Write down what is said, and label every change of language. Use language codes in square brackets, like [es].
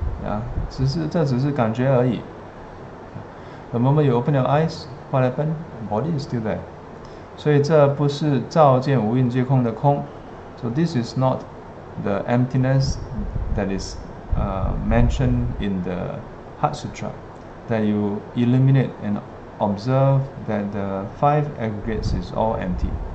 [en] The moment you open your eyes, what happened? The body is still there. [zh] 所以这不是照见无蕴皆空的空. [en] So this is not the emptiness that is mentioned in the Heart Sutra, that you illuminate and observe that the five aggregates is all empty.